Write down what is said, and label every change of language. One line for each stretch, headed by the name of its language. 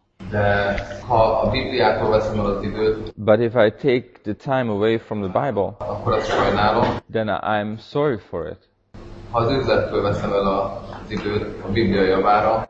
Hungarian: De ha a Bibliától veszem el az időt,
English: but if I take the time away from the Bible,
Hungarian: akkor azt sajnálom,
English: then I'm sorry for it.
Hungarian: Ha az üzletből veszem el az időt a Biblia javára,